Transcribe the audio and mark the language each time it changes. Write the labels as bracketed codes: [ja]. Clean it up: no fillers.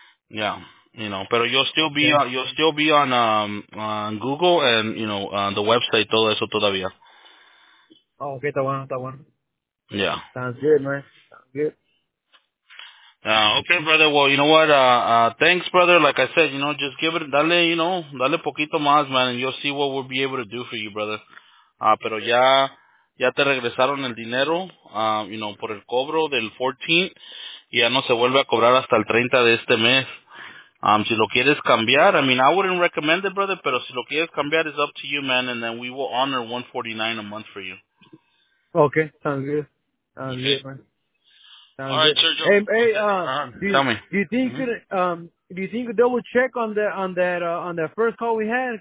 [en] Yeah, you know, pero you'll still be on on Google and, you know, the website, [es] todo eso todavía. Oh, okay, está bueno. [en] Yeah. Sounds good, man. Sounds good. Okay, brother. Well, you know what? Thanks, brother. Like I said, you know, just give it, [es] dale poquito más, [en] man, and you'll see what we'll be able to do for you, brother. [es] Pero ya te regresaron el dinero, [en] you know, [es] por el cobro del 14th, y ya no se vuelve a cobrar hasta el 30 de este mes. Si lo quieres cambiar, [en] I mean, I wouldn't recommend it, brother, [es] pero si lo quieres cambiar, [en] it's up to you, man, and then we will honor $149 a month for you. Okay, sounds good. Sounds good, man. Sounds all right, good. Sergio. Do you think you double check on that first call we had?